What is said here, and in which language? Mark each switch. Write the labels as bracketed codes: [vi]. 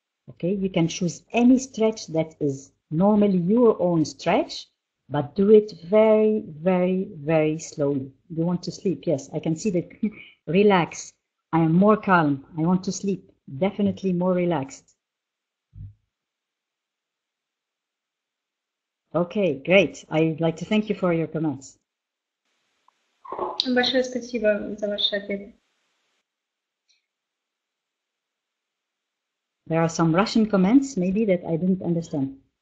[en] Okay, you can choose any stretch that is normally your own stretch, but do it very, very, very slowly. You want to sleep. Yes, I can see that. Relax. I am more calm. I want to sleep. Definitely more relaxed. Okay, great. I'd like to thank you for your comments. [ru] Большое спасибо за ваш ответ. [en] There are some Russian comments, maybe, that I didn't understand.